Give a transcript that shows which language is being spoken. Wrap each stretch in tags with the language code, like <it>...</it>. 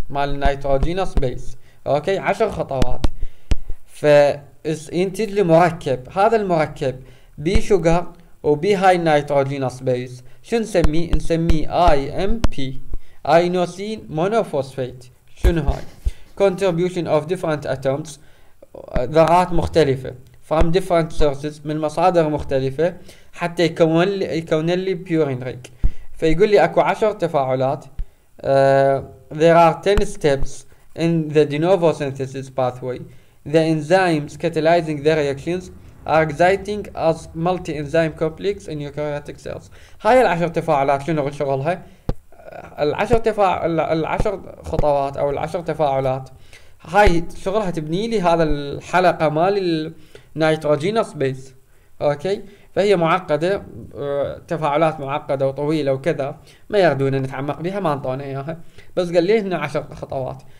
<ar>مال النيتروجينوس بيس، اوكي 10 خطوات. فينتج لي مركب، هذا المركب بي شوغر وبي هاي نيتروجينوس بيس، شو نسميه؟ نسميه اي ام بي، اينوسين مونوفوسفيت. شنو هاي؟</ar> <en>contribution of different atoms،</en> <ar>ذرات مختلفة</ar> <en>from different sources،</en> <ar>من مصادر مختلفة، حتى يكون لي بيورين ريك. فيقول لي اكو 10 تفاعلات،</ar> <en>there are 10 steps in the de novo synthesis pathway، the enzymes catalyzing the reactions are exciting as multi enzyme complex in eukaryotic cells.</en> <ar>هاي العشر تفاعلات شنو شغلها؟ العشر خطوات او العشر تفاعلات هاي شغلها تبني لي هذا الحلقه مال النيتروجينوس بيس، اوكي. فهي معقده، تفاعلات معقده وطويله وكذا، ما يردون نتعمق بها، ما انطونا اياها، بس قال لي هنا عشر خطوات.</ar>